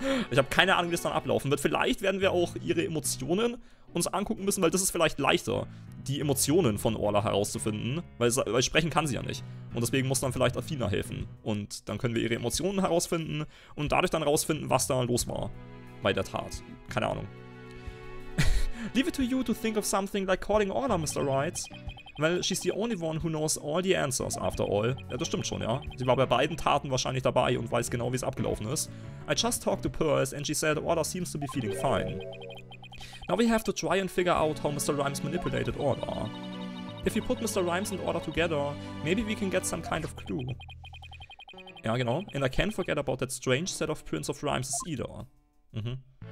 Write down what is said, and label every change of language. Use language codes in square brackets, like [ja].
[de] Ich habe keine Ahnung, wie das dann ablaufen wird. Vielleicht werden wir auch ihre Emotionen uns angucken müssen, weil das ist vielleicht leichter, die Emotionen von Orla herauszufinden. Weil sprechen kann sie ja nicht. Und deswegen muss dann vielleicht Athena helfen. Und dann können wir ihre Emotionen herausfinden und dadurch dann herausfinden, was da los war bei der Tat. Keine Ahnung. [en] Leave it to you to think of something like calling Orla, Mr. Wright. Well, she's the only one who knows all the answers, after all. [de] Ja, das stimmt schon, ja. Sie war bei beiden Taten wahrscheinlich dabei und weiß genau, wie es abgelaufen ist. [en] I just talked to Pearls and she said Orla seems to be feeling fine. Now we have to try and figure out how Mr. Rhymes manipulated Orla. If you put Mr. Rhymes and Orla together, maybe we can get some kind of clue. [de] Ja, genau. [en] And I can't forget about that strange set of prints of Rhymes either. Mhm.